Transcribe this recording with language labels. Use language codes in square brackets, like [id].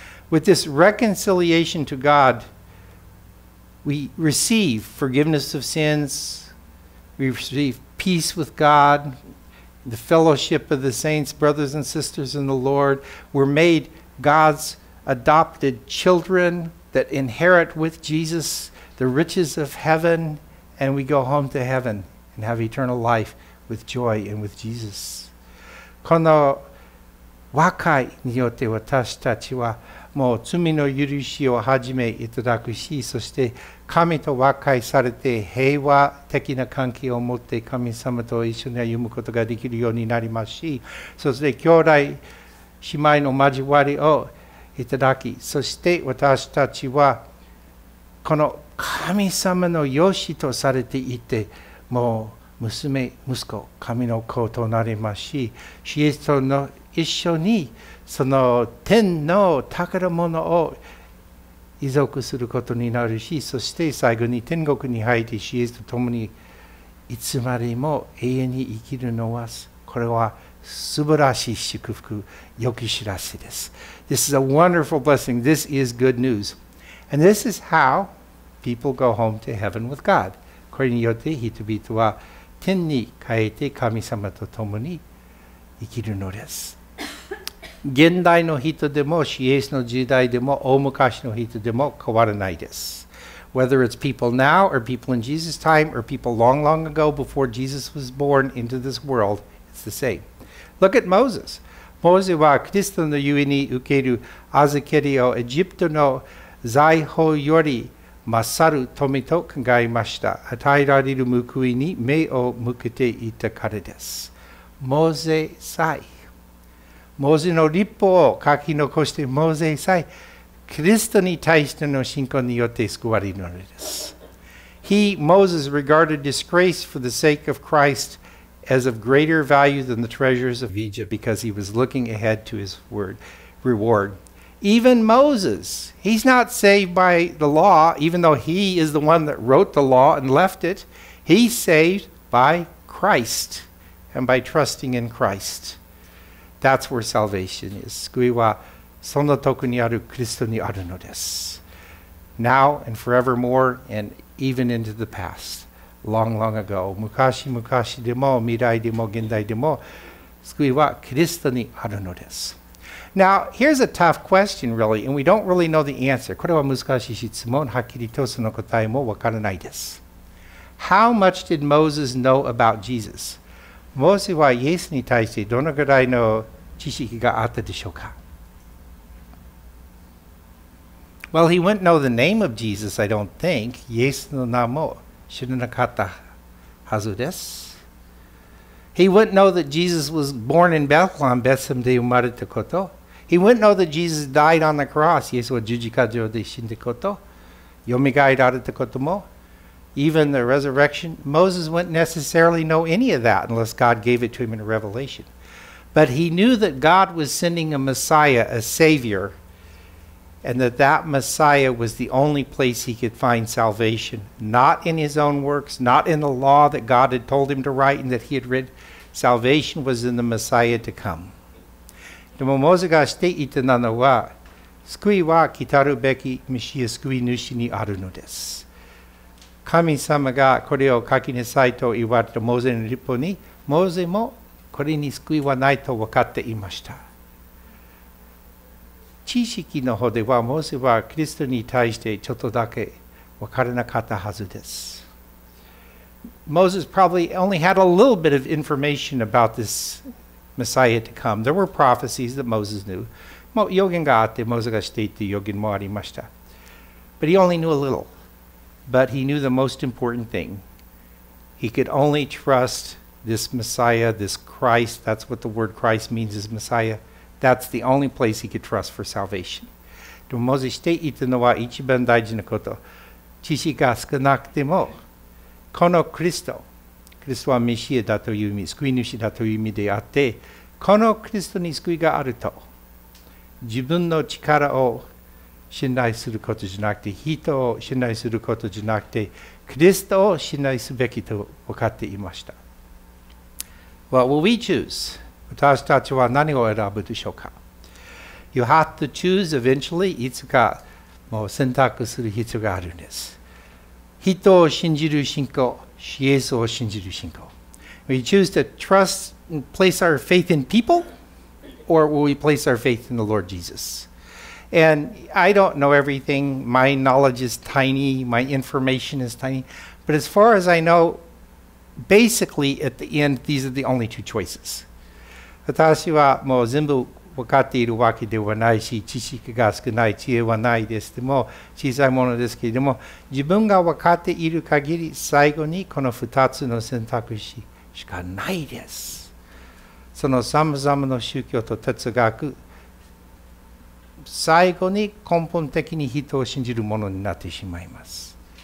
[en] With this reconciliation to God, we receive forgiveness of sins, we receive peace with God, the fellowship of the saints, brothers and sisters in the Lord. We're made God's adopted children that inherit with Jesus the riches of heaven, and we go home to heaven and have eternal life with joy and with Jesus. [ja] この和解によって私たちはもう罪の許しをはじめいただくし、そして神と和解されて平和的な関係を持って神様と一緒に歩むことができるようになりますし、そして兄弟姉妹の交わりをいただき、そして私たちはこの神様の養子とされていて、もう娘息子神の子となりますし、キリストの一緒にその天の宝物を遺族することになるし、そして最後に天国に入って、イエスと共にいつまでも永遠に生きるのは、これは素晴らしい祝福、良き知らせです。 [en] This is a wonderful blessing. This is good news. And this is how people go home to heaven with God. [ja] これによって人々は天に帰って神様と共に生きるのです。現代の人でも、イエスの時代でも、大昔の人でも変わらないです。 [en] Whether it's people now, or people in Jesus' time, or people long, long ago, before Jesus was born into this world, it's the same. Look at Moses. [ja] Moses はキリストのゆえに受ける預けりをエジプトの財宝より勝る富と考えました。与えられる報いに目を向けていたからです。モーゼの律法を書き残して、モーゼさえ、キリストに対しての信仰によって救われるのです。 [en] He, Moses, regarded disgrace for the sake of Christ as of greater value than the treasures of Egypt because he was looking ahead to his word, reward. Even Moses, he's not saved by the law, even though he is the one that wrote the law and left it. He's saved by Christ and by trusting in Christ. That's where salvation is. [ja] 救いはその特にあるキリストにあるのです。 [en] Now and forevermore and even into the past. Long, long ago. [ja] 昔昔でも未来でも現代でも救いはキリストにあるのです。 [en] Now, here's a tough question really and we don't really know the answer. [ja] これは難しい質問。はっきりとその答えもわからないです。 [en] How much did Moses know about Jesus? [ja] モーセはイエスに対してどのぐらいの知識があったでしょうか? [en] Well, he wouldn't know the name of Jesus, I don't think. [ja] イエスの名も知らなかったはずです。 [en] He wouldn't know that Jesus was born in Bethlehem, [ja] Bethlehem で生まれたこと。 [en] He wouldn't know that Jesus died on the cross, [ja] イエスは十字架上で死んだこと。よみがえられたことも。 [en] Even the resurrection, Moses wouldn't necessarily know any of that unless God gave it to him in a revelation. But he knew that God was sending a Messiah, a Savior, and that that Messiah was the only place he could find salvation, not in his own works, not in the law that God had told him to write and that he had read. Salvation was in the Messiah to come. [ja] でもモーセが知っていたのは、救いは来たるべきメシア、救い主にあるのです。神様がこれを書きなさいと言われたモーゼの律法に、モーゼもこれに救いはないと分かっていました。知識の方ではモーゼはキリストに対してちょっとだけ分からなかったはずです。 [en] Moses probably only had a little bit of information about this Messiah to come. There were prophecies that Moses knew. [ja] もう予言があって、モーゼが知っていた予言もありました。 [en] But he only knew a little. But he knew the most important thing. He could only trust this Messiah, this Christ. That's what the word Christ means, is Messiah. That's the only place he could trust for salvation. [ja] でもモーゼ知っていたのは一番大事なこと。知識が少なくても、このクリスト、クリストはメシアだという意味、救い主だという意味であって、このクリストに救いがあると、自分の力を信頼することじゃなくて、人を信頼することじゃなくて、キリストを信頼すべきと分かっていました。 [en] What will we choose? [ja] 私たちは何を選ぶでしょうか? [en] You have to choose eventually. [ja] いつかもう選択する必要があるんです。人を信じる信仰、イエスを信じる信仰。 [en] We choose to trust and place our faith in people, or will we place our faith in the Lord Jesus? And I don't know everything. My knowledge is tiny. My information is tiny. But as far as I know, basically, at the end, these are the only two choices. [ja] 私はもう全部分かっているわけではないし、知識が少ない、知恵はないです。でも、小さいものですけれども、自分が分かっている限り、最後にこの2つの選択肢しかないです。その様々な宗教と哲学、最後に根本的に人を信じるものになってしまいます。